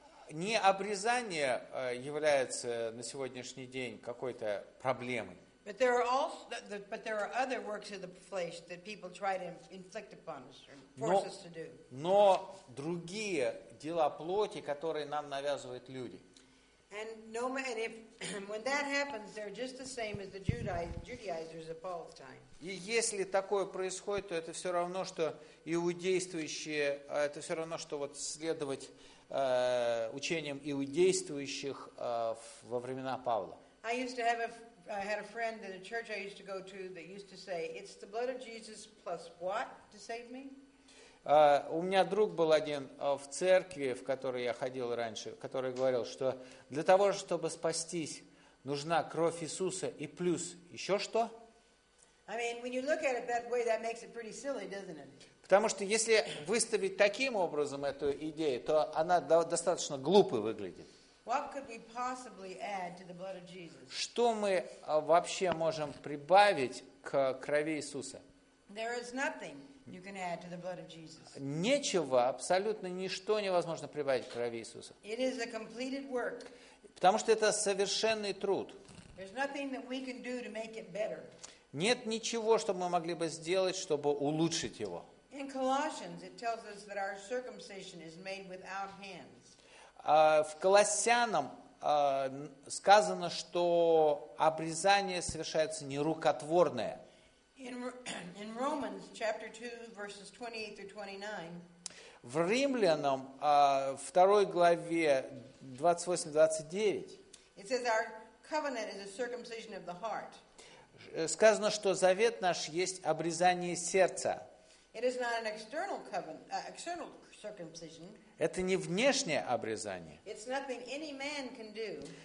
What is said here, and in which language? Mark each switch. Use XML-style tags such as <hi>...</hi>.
<ru>Не обрезание является на сегодняшний день какой-то проблемой.</ru> <en>But there are also, but there are other works of the flesh that people try to inflict upon us or force us to do.</en> <ru>Но другие дела плоти, которые нам навязывают люди.</ru> <en>And no matter if when that happens, they're just the same as the Judaizers of Paul's time.</en> <ru>И если такое происходит, то это все равно, что иудействующие, это все равно, что вот следовать учениям иудействующих во времена Павла.</ru> <en>I used to have I had a friend in a church I used to go to that used to say, "It's the blood of Jesus plus what to save me?"</en> <ru>У меня друг был один в церкви, в которой я ходил раньше, который говорил, что для того, чтобы спастись, нужна кровь Иисуса и плюс еще что?</ru> <en>I mean, when you look at it that way, that makes it pretty silly, doesn't it?</en> <ru>Потому что если выставить таким образом эту идею, то она достаточно глупо выглядит.</ru> <en>What could we possibly add to the blood of Jesus?</en> <ru>Что мы вообще можем прибавить к крови Иисуса?</ru> <en>There is nothing you can add to the blood of Jesus.</en> <ru>Нечего, абсолютно ничто невозможно прибавить к крови Иисуса.</ru> <en>It is a completed work.</en> <ru>Потому что это совершенный труд.</ru> <en>There's nothing that we can do to make it better.</en> <ru>Нет ничего, что мы могли бы сделать, чтобы улучшить его.</ru> <en>In Colossians, it tells us that our circumcision is made without hands.</en> <ru>В Колоссянам сказано, что обрезание совершается не рукотворное.</ru> <en>In Romans, chapter 2, verses 28 through 29.</en> <ru>В Римлянам, 2 главе, 28-29.</ru> <en>It says our covenant is a circumcision of the heart.</en> <ru>Сказано, что завет наш есть обрезание сердца.</ru> <en>It is not an external covenant, external circumcision.</en> <ru>Это не внешнее обрезание.</ru> <en>It's nothing any man can do.</en>